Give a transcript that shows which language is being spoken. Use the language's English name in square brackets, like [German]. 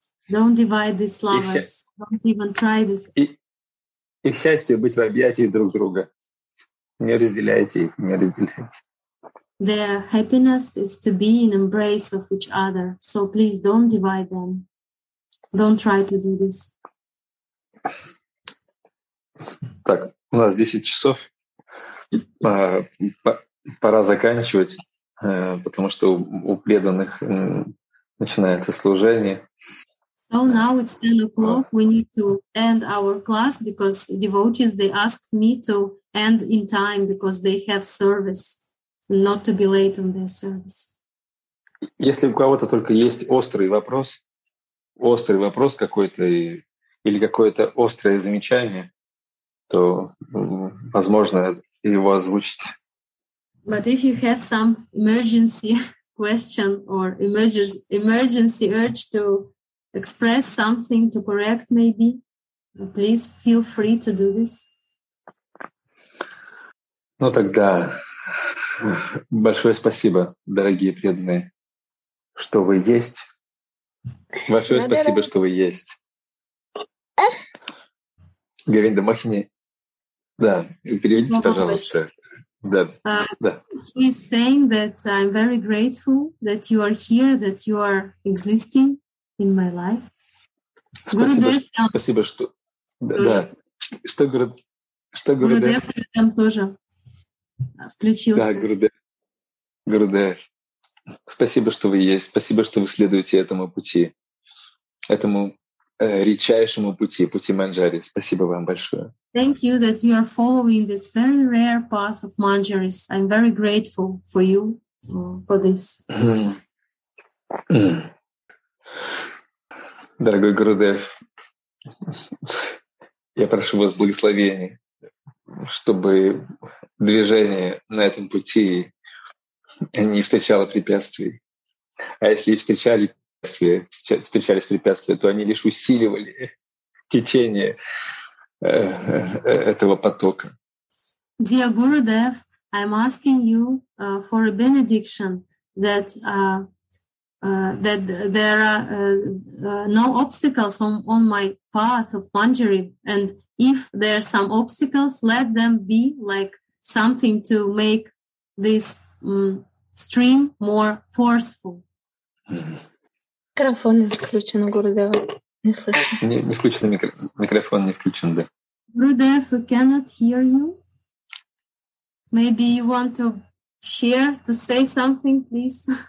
[English] Don't divide these lovers. Don't even try this. [Russian] Их счастье — быть в объятии друг друга. Не разделяйте их. [English] Their happiness is to be in embrace of each other. So please don't divide them. Don't try to do this. [Russian] Так, у нас 10 часов. Пора заканчивать, потому что у преданных начинается служение. [English] So now it's 10 o'clock. We need to end our class because devotees, they asked me to end in time because they have service. Not to be late on their service. [Russian] Если у кого-то только есть острый вопрос какой-то или какое-то острое замечание, то возможно его озвучить. [English] But if you have some emergency question or emergency urge to express something, to correct maybe, please feel free to do this. [Russian] Ну тогда... Большое спасибо, дорогие преданные, что вы есть. Большое спасибо, что вы есть. Говинда Махини, да, переведите, пожалуйста. Да, да. [English] He is saying that I'm very grateful that you are here, that you are existing in my life. [Russian] Спасибо, что... Да, что говорит? Включился. Да, Гурудев. Спасибо, что вы есть. Спасибо, что вы следуете этому пути. Этому редчайшему пути, пути Манджари. Спасибо вам большое. [English] Thank you that you are following this very rare path of Manjaris. I'm very grateful for you for this. [Russian] Дорогой Гурудев, я прошу вас благословения, чтобы движение на этом пути не встречало препятствий. А если и встречали препятствия, встречались препятствия, то они лишь усиливали течение этого потока. [English] Dear Gurudev, I'm asking you for a benediction that that there are no obstacles on my path of Manjari, and if there are some obstacles, let them be like something to make this stream more forceful. [Russian] Микрофон не включен, Гурудев. Не слышно. Не включен микрофон, не включен, да. [English] Гурудев, we cannot hear you. Maybe you want to share, to say something, please.